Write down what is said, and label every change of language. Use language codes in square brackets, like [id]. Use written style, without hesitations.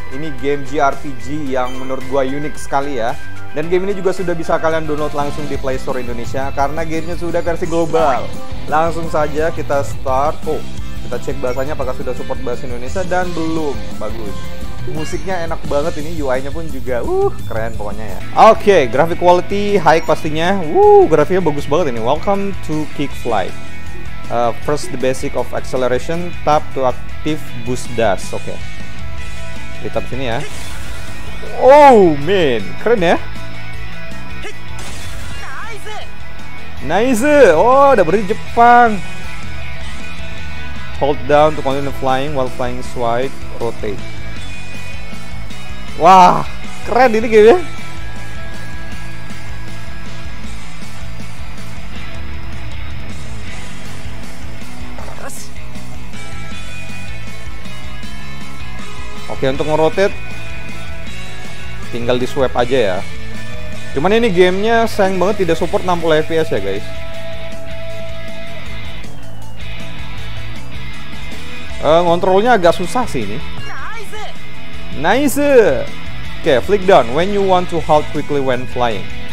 [id] Ini game JRPG yang menurut gue unik sekali ya. Dan game ini juga sudah bisa kalian download langsung di Play Store Indonesia karena gamenya sudah versi global. Langsung saja kita start. Oh, kita cek bahasanya apakah sudah support bahasa Indonesia dan belum. Bagus. Musiknya enak banget ini, UI-nya pun juga keren pokoknya ya. [en] Oke, okay, graphic quality high [id] pastinya. Grafiknya bagus banget ini. [en] Welcome to Kick Flight. First the basic of acceleration, tap to active boost dash. [id] Oke. Okay. Kita tap sini ya. Oh, man. Keren ya. Nice. Oh, udah berarti Jepang. [en] Hold down to continue flying while flying swipe rotate. [id] Wah, keren ini game-nya. Oke, untuk ngerotate tinggal di swipe aja ya. Cuman ini gamenya sayang banget tidak support 60 fps ya guys. Ngontrolnya agak susah sih ini. Nice. [en] Oke, flick down when you want to halt quickly when flying.